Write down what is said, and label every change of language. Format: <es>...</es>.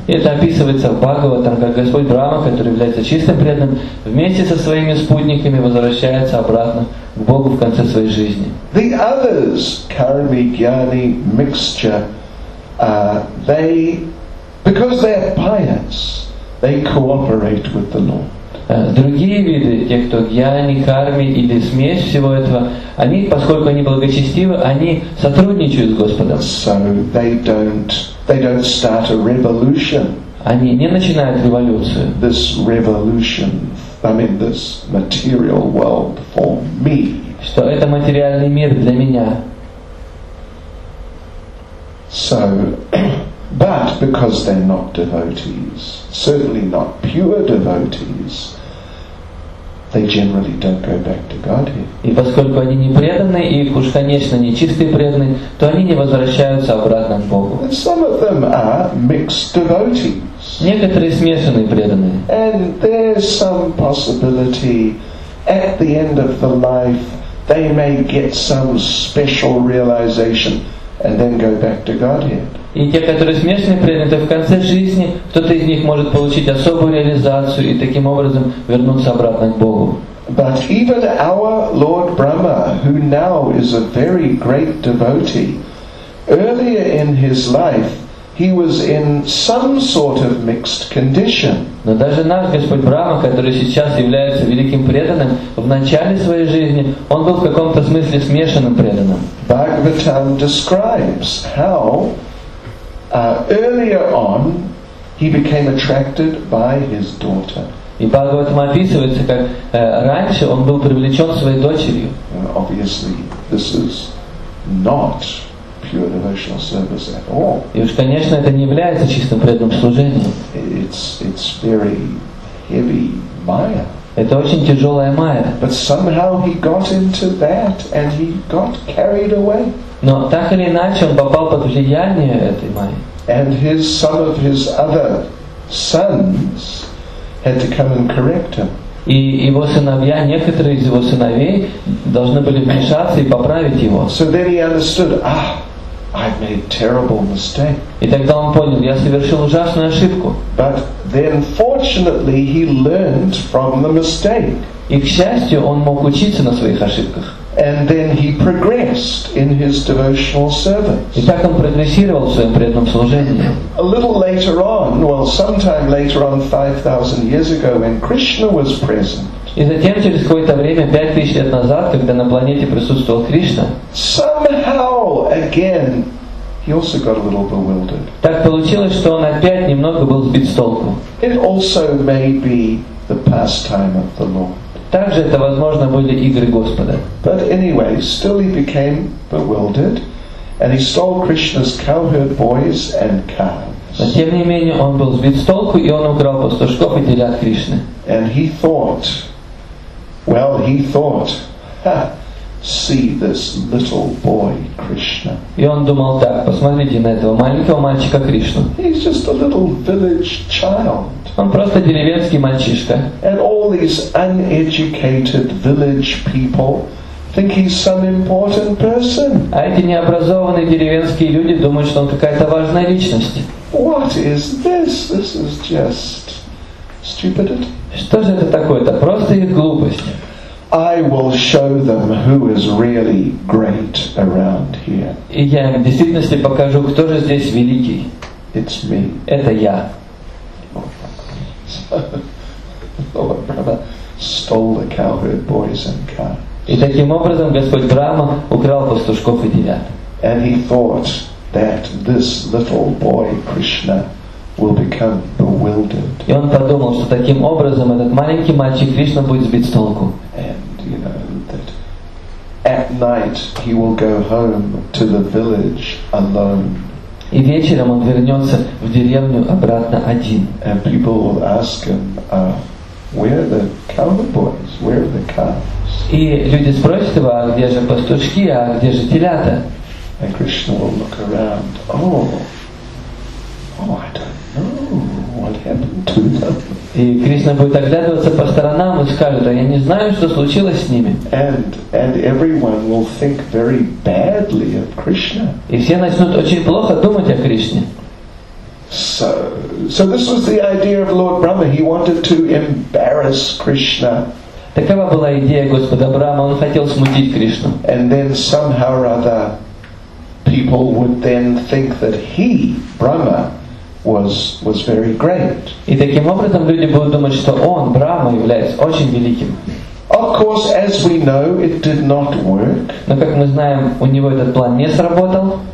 <ru>Это описывается в Бхагаватам, как Господь Брахма, который является чистым преданным, вместе со своими спутниками возвращается обратно к Богу в конце своей жизни.</ru> <en>The others, karmi, gyani, mixture, they, because they are pious, they cooperate with the Lord.</en> <ru>Другие виды, те, кто гьяни, карми или смесь всего этого, они, поскольку они благочестивы, они сотрудничают с Господом.</ru> <en>So they don't start a revolution.</en> <ru>Они не начинают революцию.</ru> <en>This revolution, I mean, this material world for me.</en> <ru>Что это материальный мир для меня.</ru> <en>So, but because they're not devotees, certainly not pure devotees, they generally don't go back to Godhead.</en> <ru>И поскольку они не преданные, и уж конечно не чистые преданные, то они не возвращаются обратно к Богу.</ru> <en>And some of them are mixed devotees.</en> <ru>Некоторые смешанные преданные.</ru> <en>And there's some possibility at the end of the life they may get some special realization. And then go back to Godhead.</en> <ru>И те, которые смешанные преданные, в конце жизни кто-то из них может получить особую реализацию и таким образом вернуться обратно к Богу.</ru> <en>But even our Lord Brahma, who now is a very great devotee, earlier in his life he was in some sort of mixed condition.</en> <ru>Но даже наш Господь Брахма, который сейчас является великим преданным, в начале своей жизни он был в каком-то смысле смешанным преданным.</ru> <en>Bhagavatam describes how earlier on he became attracted by his daughter.</en> <ru>И Бхагаватам описывается, как раньше он был привлечен своей дочерью.</ru> <en>Obviously, this is not pure devotional service at all.</en> <ru>И уж, конечно, это не является чистым преданным служением.</ru> <en>It's very heavy maya.</en> <ru>Это очень тяжелая майя.</ru> <en>But somehow he got into that and he got carried away.</en> <ru>Но так или иначе он попал под влияние этой майи.</ru> <en>And some of his other sons had to come and correct him.</en> <ru>И его сыновья, некоторые из его сыновей, должны были вмешаться и поправить его.</ru> <en>So then he understood, ah, I've made a terrible mistake.</en> <ru>И тогда он понял, я совершил ужасную ошибку.</ru> <en>But then, fortunately, he learned from the mistake.</en> <ru>И, к счастью, он мог учиться на своих ошибках.</ru> <en>And then he progressed in his devotional service.</en> <ru>И так он прогрессировал в своем преданном служении.</ru> <en>A little later on, well, sometime later on, 5,000 years ago, when Krishna was present.</en> <ru>И затем через какое-то время, 5000 лет назад, когда на планете присутствовал Кришна.</ru> <en>Somehow again, he also got a little bewildered.</en> <ru>Так получилось, что он опять немного был сбит с толку.</ru> <en>It also may be the pastime of the Lord.</en> <ru>Также это, возможно, были игры Господа.</ru> <en>But anyway, still he became bewildered, and he stole Krishna's cowherd boys and calves.</en> <ru>Но тем не менее он был сбит с толку и он украл пастушков и телят Кришны.</ru> <en>And he thought, well, he thought, ha, see this little boy Krishna.</en> <ru>И он думал так: посмотрите на этого маленького мальчика Кришну.</ru> <en>He's just a little village child.</en> <ru>Он просто деревенский мальчишка.</ru> <en>And all these uneducated village people think he's some important person.</en> <ru>А эти необразованные деревенские люди думают, что он какая-то важная личность.</ru> <en>What is this? This is just stupidity.</en> <ru>Что же это такое? Это просто их глупость.</ru> <en>I will show them who is really great around here.</en> <ru>И я им в действительности покажу, кто же здесь великий.</ru> <en>It's me.</en> <ru>Это я.</ru> <en>Lord Brahma stole the cowherd boys and calves.</en> <ru>И таким образом Господь Брама украл пастушков и телят.</ru> <en>And he thought that this little boy Krishna will become bewildered.</en> <ru>И он подумал, что таким образом этот маленький мальчик Кришна будет сбит с толку.</ru> <en>And you know that at night he will go home to the village alone.</en> <ru>И вечером он вернется в деревню обратно один.</ru> <en>And people will ask him, where are the cowherd boys? Where are the calves?</en> <ru>И люди спросят его, а где же пастушки, а где же телята?</ru> <en>And Krishna will look around. Oh, I don't know what happened to them.</en> <ru>И Кришна будет оглядываться по сторонам и скажет, а я не знаю, что случилось с ними.</ru> <en>And everyone will think very badly of Krishna.</en> <ru>И все начнут очень плохо думать о Кришне.</ru> <en>So this was the idea of Lord Brahma. He wanted to embarrass Krishna.</en> <ru>Такова была идея Господа Брама. Он хотел смутить Кришну.</ru> <en>And then somehow or other, people would then think that he, Brahma, was very great.</en> <ru>И таким образом люди будут думать, что он, Брама, является очень великим.</ru> <en>Of course, as we know, it did not work.</en> <ru>Но как мы знаем, у него этот план не сработал.</ru>